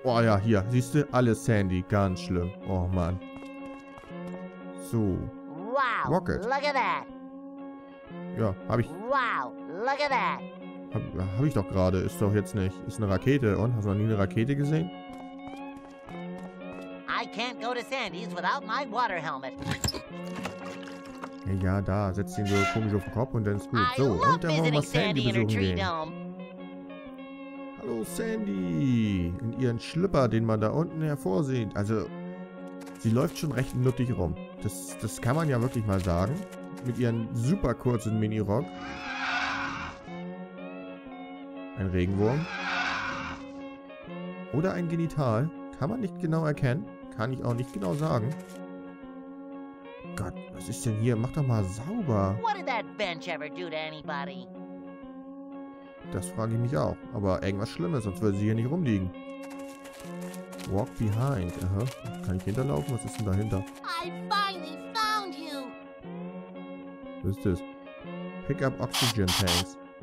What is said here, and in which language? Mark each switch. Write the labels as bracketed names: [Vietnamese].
[German] Oh ja, hier, siehst du, alles Sandy, ganz schlimm. Oh Mann. So. Wow, [English] Rocket. Look at that. [German] Ja, hab ich. [English] Wow, look at that. [German] Hab ich doch gerade, ist doch jetzt nicht. Ist eine Rakete, und? Hast du noch nie eine Rakete gesehen? [English] I can't go to Sandy's without my water helmet. [German] Ja, da, setz ihn so komisch auf den Kopf und dann ist gut. So, und dann wollen wir mal Sandy besuchen gehen. Hallo Sandy, in ihren Schlüpper, den man da unten hervorsieht. Also, sie läuft schon recht nuttig rum. Das kann man ja wirklich mal sagen. Mit ihren super kurzen Minirock. Ein Regenwurm. Oder ein Genital. Kann man nicht genau erkennen. Kann ich auch nicht genau sagen. Gott, was ist denn hier? Mach doch mal sauber. [English] What did that bench ever do to anybody? [German] Das frage ich mich auch. Aber irgendwas Schlimmes, sonst würde sie hier nicht rumliegen. [English] Walk behind. [German] Aha. Kann ich hinterlaufen? Was ist denn dahinter? [English] I finally found you. [German] Was ist das? [English] Pick up oxygen tanks.